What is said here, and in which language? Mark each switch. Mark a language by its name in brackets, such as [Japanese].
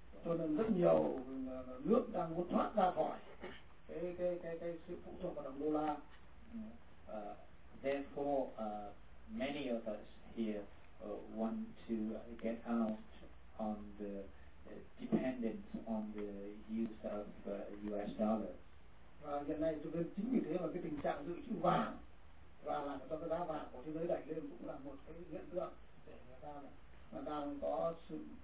[Vietnamese] Cho nên rất nhiều nước đang muốn thoát ra khỏi cái sự phụ thuộc vào đồng đô la. [English] Therefore, many of us here want to get out on the dependence on the use of U.S. dollar. [Vietnamese] Và hiện nay cho nên chính vì thế mà cái tình trạng dự trữ vàng và làm cho cái giá vàng của thế giới đẩy lên cũng là một cái hiện tượng để người ta mà đang có sự